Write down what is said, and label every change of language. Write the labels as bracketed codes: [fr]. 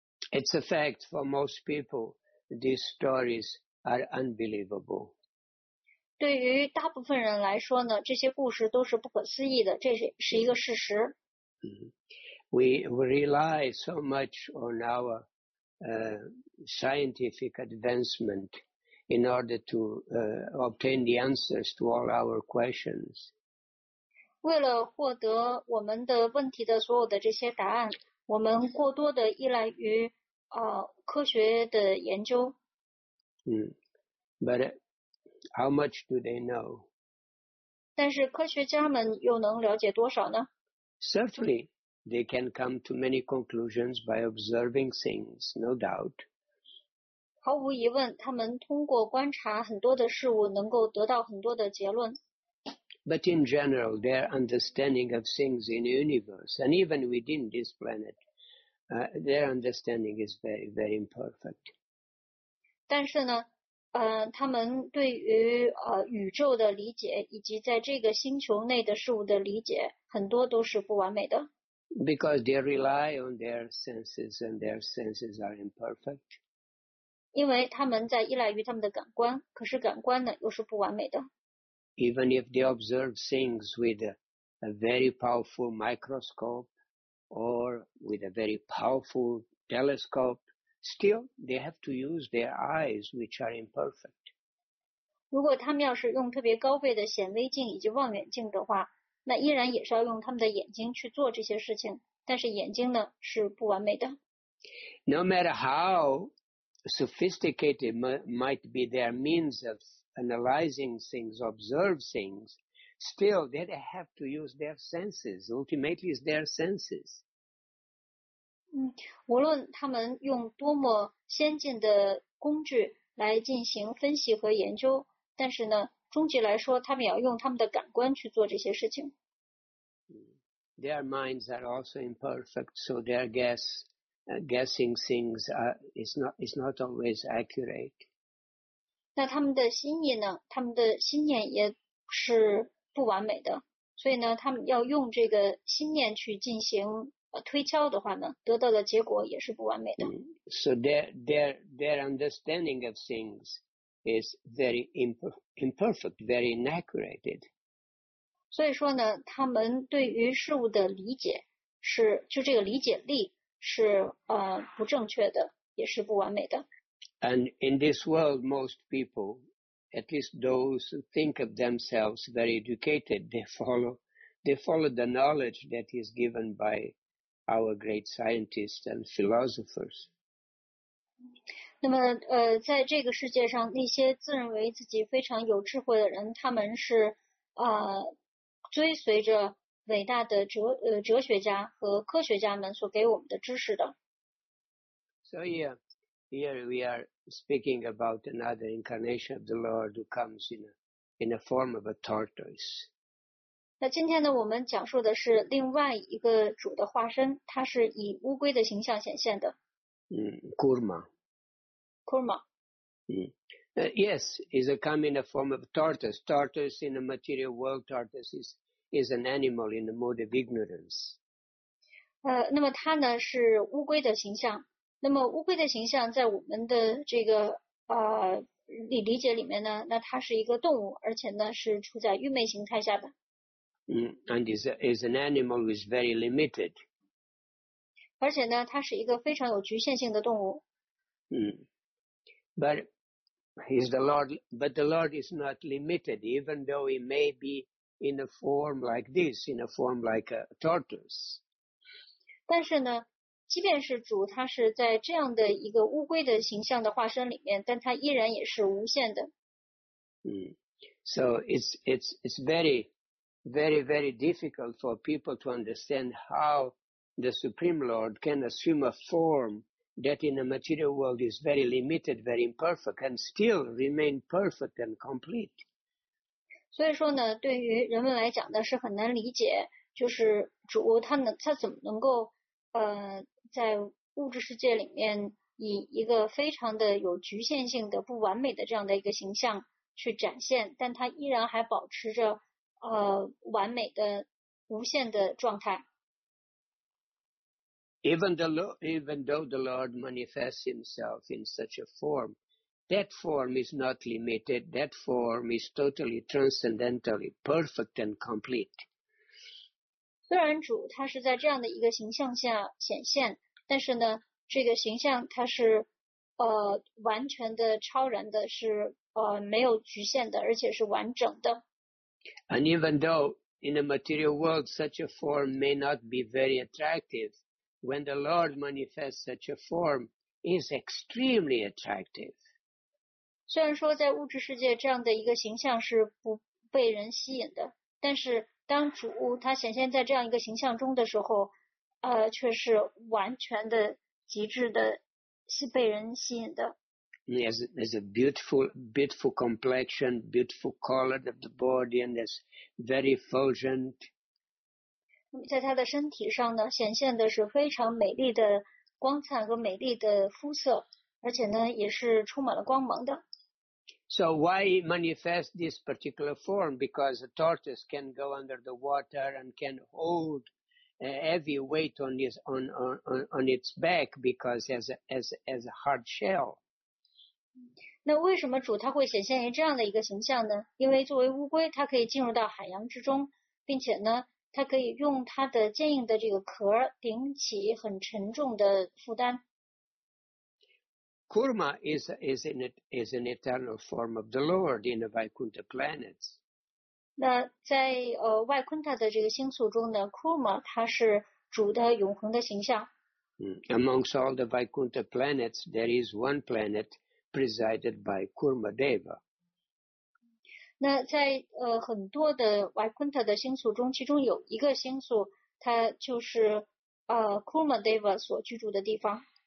[en] It's a fact for most people, these stories are unbelievable. [zh] 对于大部分人来说呢，这些故事都是不可思议的，这是一个事实。 [en] We rely so much on our scientific advancement in order to obtain the answers to all our questions. [zh] 为了获得我们的问题的所有的这些答案，我们过多的依赖于科学的研究。 [en] But how much do they know? [zh] 但是科学家们又能了解多少呢？ [en] Certainly, they can come to many conclusions by observing things, no doubt. [zh] 毫无疑问，他们通过观察很多的事物能够得到很多的结论。 [en] But in general, their understanding of things in the universe, and even within this planet, their understanding is very, very imperfect. [zh] 但是呢，他们对于宇宙的理解以及在这个星球内的事物的理解，很多都是不完美的。 [en] Because they rely on their senses, and their senses are imperfect. [zh] 因为他们在依赖于他们的感官，可是感官呢又是不完美的。 [en] Even if they observe things with a very powerful microscope. Or with a very powerful telescope, still they have to use their eyes, which are imperfect. [zh] 如果他们要是用特别高倍的显微镜以及望远镜的话，那依然也是要用他们的眼睛去做这些事情，但是眼睛呢是不完美的。 [en] No matter how sophisticated might be their means of analyzing things, observe things,Still, they have to use their senses. Ultimately, it's their senses. [zh] 无论他们用多么先进的工具来进行分析和研究，但是呢，终极来说，他们要用他们的感官去做这些事情。 [en] Their minds are also imperfect, so their guessing things is not always accurate. [zh] 那他们的心意呢？他们的心念也是。不完美的，所以呢，他们要用这个心念去进行推敲的话呢，得到的结果也是不完美的。 [en] So their understanding of things is very imperfect, very inaccurate. [zh] 所以说呢，他们对于事物的理解是，就这个理解力是不正确的，也是不完美的。 [en] And in this world, most people. At least those who think of themselves very educated, they follow the knowledge that is given by our great scientists and philosophers. [zh] 那么，在这个世界上，那些自认为自己非常有智慧的人，他们是追随着伟大的哲学家和科学家们所给我们的知识的。 [en] So here we are. Speaking about another incarnation of the Lord who comes in a form of a tortoise. [zh] 那今天呢，我们讲述的是另外一个主的化身，他是以乌龟的形象显现的。 [en] Kurma. Kurma. Yes, is a coming a form of tortoise. Tortoise in the material world, tortoise is an animal in the mode of ignorance. [zh] 那么他呢是乌龟的形象。那么乌龟的形象在我们的这个理解里面呢，那它是一个动物，而且呢是处在愚昧形态下的。 [en] And is an animal who is very limited. [zh] 而且呢，它是一个非常有局限性的动物。 [en] But the Lord is not limited, even though he may be in a form like this, in a form like a tortoise. [zh] 但是呢，即便是主，他是在这样的一个乌龟的形象的化身里面，但他依然也是无限的。 [en] So it's very, very, very difficult for people to understand how the Supreme Lord can assume a form that in the material world is very limited, very imperfect, and still remain perfect and complete. [zh] 所以说呢，对于人们来讲呢，是很难理解，就是主他怎么能够在物质世界里面以一个非常的有局限性的不完美的这样的一个形象去展现，但它依然还保持着完美的无限的状态。 [en] Even though the Lord manifests himself in such a form, that form is not limited, that form is totally transcendentally perfect and complete. [zh] 虽然主他是在这样的一个形象下显现，但是呢，这个形象它是完全的超然的，是没有局限的，而且是完整的。 [en] And even though in the material world such a form may not be very attractive, when the Lord manifests such a form, is extremely attractive. [zh] 虽然说在物质世界这样的一个形象是不被人吸引的，但是当主他显现在这样一个形象中的时候，却是完全的极致的，是被人吸引的。 [en] There's a beautiful, beautiful complexion, beautiful color of the body, and it's very effulgent. [zh] 在他的身体上呢，显现的是非常美丽的光彩和美丽的肤色，而且呢，也是充满了光芒的。 [en] So why manifest this particular form? Because a tortoise can go under the water and can hold a heavy weight on its back because as a hard shell. [zh] 那为什么主他会显现于这样的一个形象呢？因为作为乌龟，它可以进入到海洋之中，并且呢，它可以用它的坚硬的这个壳顶起很沉重的负担。 [en] Kurma is an eternal form of the Lord in the Vaikuntha planets. [zh] 那在外昆塔的这个星宿中呢 ，Kurma 它是主的永恒的形象。 [en] Amongst all the Vaikuntha planets, there is one planet presided by Kurma Deva. [zh] 那在很多的外昆塔的星宿中，其中有一个星宿，它就是Kurma Deva 所居住的地方。